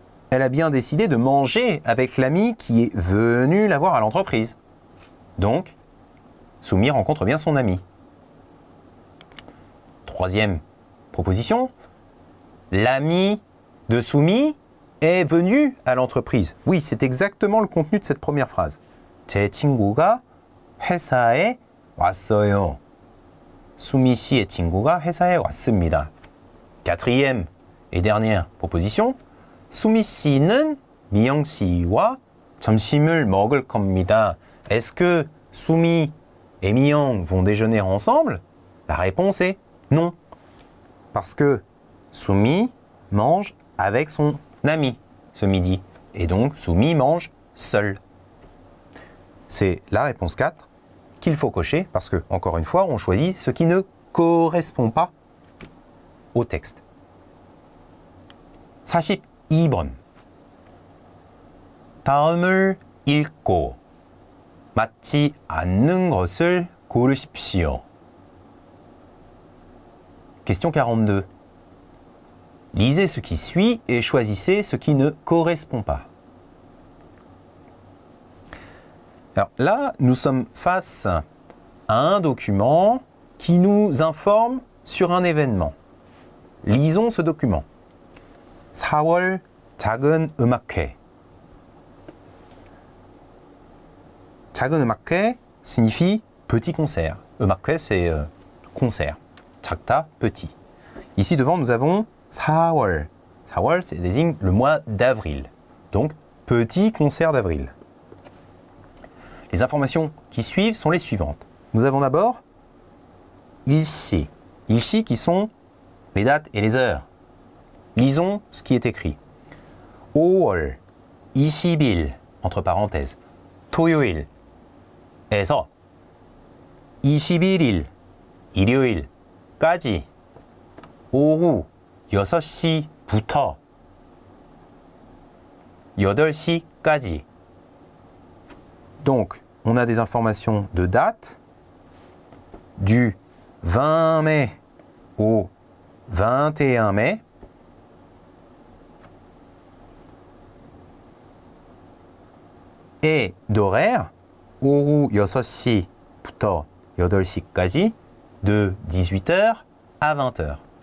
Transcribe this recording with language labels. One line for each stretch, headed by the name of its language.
French: Elle a bien décidé de manger avec l'ami qui est venu la voir à l'entreprise. Donc, Soumi rencontre bien son ami. Troisième proposition, l'ami de Soumi est venu à l'entreprise. Oui, c'est exactement le contenu de cette première phrase.
Korean: 제 친구가 회사에 왔어요. 수미 씨의 친구가 회사에 왔습니다.
French: Quatrième et dernière proposition.
Korean: 수미 씨는 미영 씨와 점심을 먹을 겁니다.
French: Est-ce que 수미 et 미영 vont déjeuner ensemble? La réponse est non. Parce que 수미 mange avec son ami ce midi. Et donc 수미 mange seul. C'est la réponse 4 qu'il faut cocher parce que, encore une fois, on choisit ce qui ne correspond pas au texte.
Korean: 42번 다음을 읽고 맞지 않는 것을 고르십시오.
French: Question 42. Lisez ce qui suit et choisissez ce qui ne correspond pas. Alors là, nous sommes face à un document qui nous informe sur un événement. Lisons ce document.
Korean: 4월 작은 음악회. 작은 음악회
French: signifie petit concert.
Korean: 음악회,
French: c'est concert.
Korean: 작다,
French: petit. Ici devant, nous avons
Korean: 4월.
French: 4월, c'est désigne le mois d'avril. Donc, petit concert d'avril. Les informations qui suivent sont les suivantes. Nous avons d'abord ici. Ici qui sont les dates et les heures. Lisons ce qui est écrit.
Korean: 5월 20일
French: entre parenthèses
Korean: 토요일에서 21일 일요일까지 오후 6시부터 8시까지.
French: Donc on a des informations de date du 20 mai au 21 mai. Et d'horaire,
Korean: 오후 6시부터 8시까지,
French: de 18h à 20h.